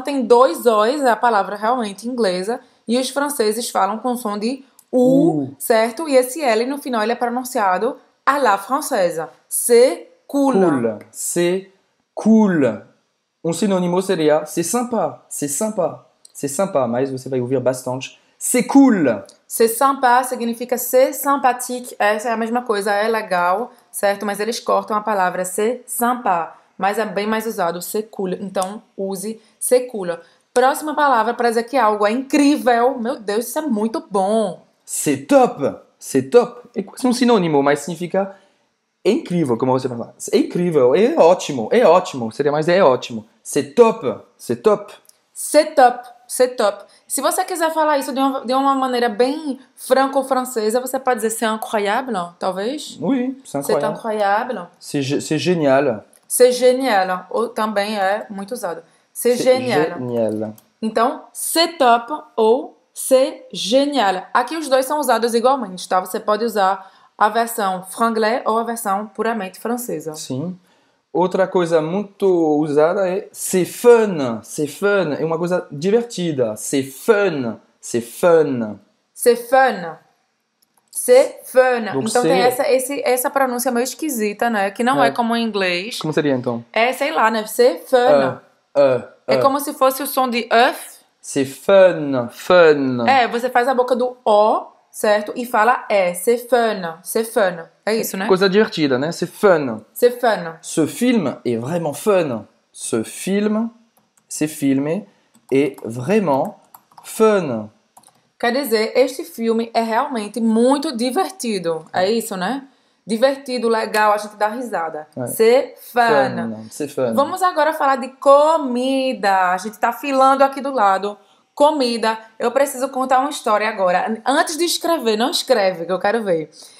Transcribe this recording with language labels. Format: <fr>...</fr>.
<pt>Tem dois O's, é a palavra realmente inglesa. E os franceses falam com som de U, certo? E esse L no final, ele é pronunciado à la française.</pt> <fr>C'est cool. Cool. C'est cool.</fr> <pt>Um sinônimo seria</pt> <fr>c'est sympa. C'est sympa. C'est sympa.</fr> <pt>Mas você vai ouvir bastante.</pt> <fr>C'est cool. C'est sympa</fr> <pt>significa ser</pt> <fr>sympathique.</fr> <pt>Essa é a mesma coisa, é legal, certo? Mas eles cortam a palavra</pt> <fr>c'est sympa.</fr> <pt>Mas é bem mais usado,</pt> <fr>c'est cool.</fr> <pt>Então, use</pt> <fr>c'est cool.</fr> <pt>Próxima palavra para dizer que algo é incrível. Meu Deus, isso é muito bom.</pt> <fr>C'est top. C'est top.</fr> <pt>É quase um sinônimo, mas significa É incrível como você fala. É incrível, é ótimo, é ótimo. Seria mais, é ótimo.</pt> <fr>C'est top, c'est top. C'est top, c'est top.</fr> <pt>Se você quiser falar isso de uma maneira bem franco-francesa, você pode dizer</pt> <fr>c'est incroyable,</fr> <pt>talvez.</pt> <fr>Oui, c'est C'est incroyable. incroyable. C'est génial. C'est génial.</fr> <pt>Ou também é muito usado.</pt> <fr>C'est C'est génial. génial.</fr> <pt>Então,</pt> <fr>c'est top</fr> <pt>ou</pt> <fr>c'est génial.</fr> <pt>Aqui os dois são usados igualmente, tá? Você pode usar a versão franglais ou a versão puramente francesa. Sim. Outra coisa muito usada é</pt> <fr>c'est fun. C'est fun.</fr> <pt>É uma coisa divertida.</pt> <fr>C'est fun. C'est fun. C'est fun. C'est fun. Donc</fr> <pt>Então tem</pt> <fr>c'est.</fr> <pt>essa pronúncia meio esquisita, né? Que não é como em Como inglês. seria então? É, sei lá, né?</pt> <fr>C'est fun.</fr> <pt>É como se fosse o som de uff.</pt> <fr>C'est fun, fun.</fr> <pt>É, você faz a boca do O, certo? E fala é.</pt> <fr>C'est fun. C'est fun.</fr> <pt>É isso, né? Coisa divertida, né?</pt> <fr>C'est fun. C'est fun. Ce film est vraiment fun. Ce film, c'est filmé, est vraiment fun.</fr> <pt>Quer dizer, este filme é realmente muito divertido. É isso, né? Divertido, legal, a gente dá risada.</pt> <fr>C'est fun. Fun, c'est fun.</fr> <pt>Vamos agora falar de comida. A gente tá filando aqui do lado. Comida. Eu preciso contar uma história agora. Antes de escrever, não escreve, que eu quero ver.</pt>